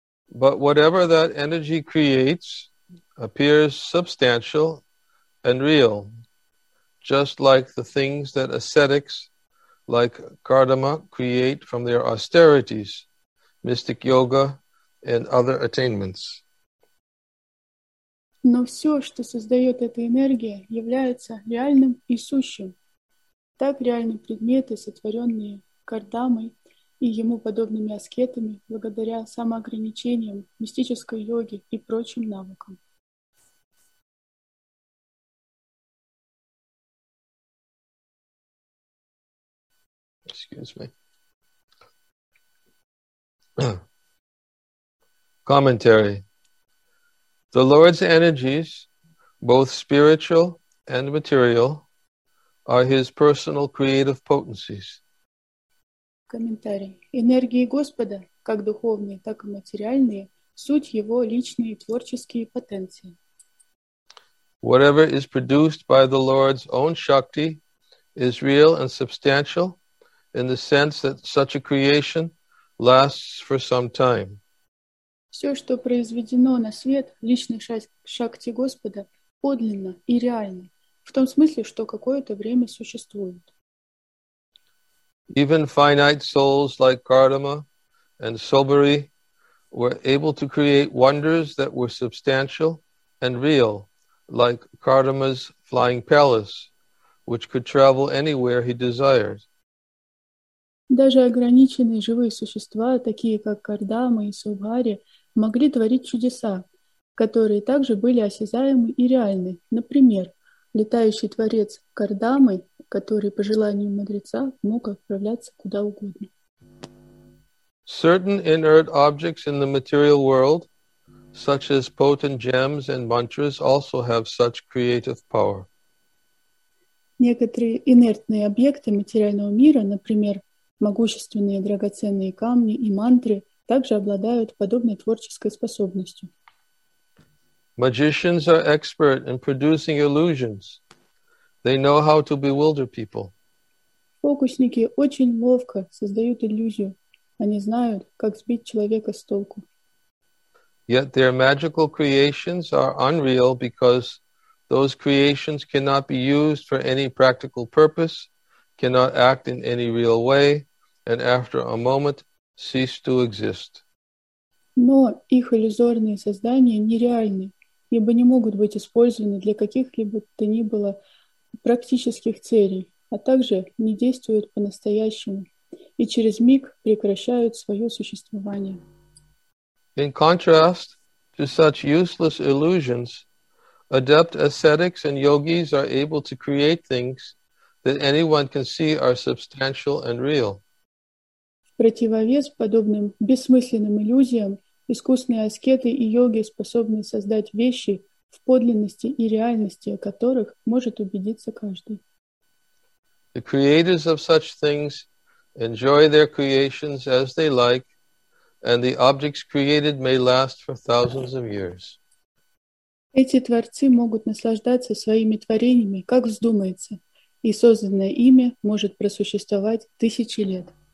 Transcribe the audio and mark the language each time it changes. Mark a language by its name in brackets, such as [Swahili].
[English] But whatever that energy creates appears substantial and real, just like the things that ascetics like Kardama create from their austerities, mystic yoga, and other attainments. [Russian] Но все, что создает эта энергия, является реальным и сущим. Так реальны предметы, сотворенные кардамой и ему подобными аскетами, благодаря самоограничениям, мистической йоге и прочим навыкам. [English] Excuse me. Commentary. The Lord's energies, both spiritual and material, are His personal creative potencies. [Russian] Комментарий. Энергии Господа, как духовные, так и материальные, суть Его личные творческие потенции. [English] Whatever is produced by the Lord's own Shakti is real and substantial in the sense that such a creation lasts for some time. [Russian] Все, что произведено на свет, личной шакти Господа, подлинно и реально, в том смысле, что какое-то время существует. [English] Even finite souls like Kardama and Sobari were able to create wonders that were substantial and real, like Kardama's flying palace, which could travel anywhere he desired. [Russian] Даже ограниченные живые существа, такие как Кардама и Сугари, могли творить чудеса, которые также были осязаемы и реальны. Например, летающий творец Кардамы, который по желанию мудреца мог отправляться куда угодно. [English] Certain inert objects in the material world, such as potent gems and mantras, also have such creative power. [Russian] Некоторые инертные объекты материального мира, например, могущественные драгоценные камни и мантры, также обладают подобной творческой способностью. [English] Magicians are expert in producing illusions. They know how to bewilder people. [Russian] Фокусники очень ловко создают иллюзию. Они знают, как сбить человека с толку. [English] Yet their magical creations are unreal because those creations cannot be used for any practical purpose, cannot act in any real way, and after a moment cease to exist. [Russian] Но их иллюзорные создания нереальны, ибо не могут быть использованы для каких-либо то ни было практических целей, а также не действуют по-настоящему и через миг прекращают свое существование. [English] In contrast to such useless illusions, adept ascetics and yogis are able to create things that anyone can see are substantial and real. [Russian] В противовес подобным бессмысленным иллюзиям, искусные аскеты и йоги способны создать вещи, в подлинности и реальности о которых может убедиться каждый. [English] The creators of such things enjoy their creations as they like, and the objects created may last for thousands of years. [Russian] Эти творцы могут наслаждаться своими творениями, как вздумается, и созданное ими может просуществовать тысячи лет.